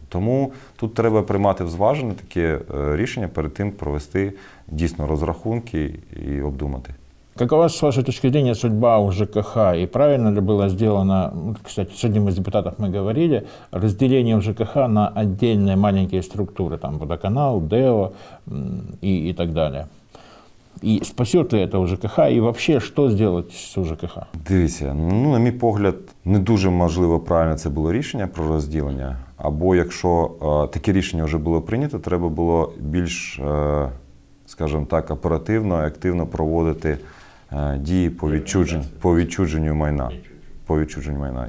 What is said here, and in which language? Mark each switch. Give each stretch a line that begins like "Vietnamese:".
Ukrainian: Тому тут треба приймати зважене таке рішення перед тим провести дійсно розрахунки і обдумати.
Russian: Какова, с вашей точки зрения, судьба у ЖКХ? И правильно ли было сделано, кстати, с одним из депутатов мы говорили, разделение ЖКХ на отдельные маленькие структуры, там водоканал, ДЭО и так далее? И спасет ли это у ЖКХ? И вообще, что сделать с ЖКХ?
Ukrainian: Дивіться, ну, на мій погляд, не дуже можливо правильно це було рішення про розділення. Або якщо таке рішення вже було прийнято, треба було більш... скажімо так, оперативно, активно проводити дії по відчуженню майна.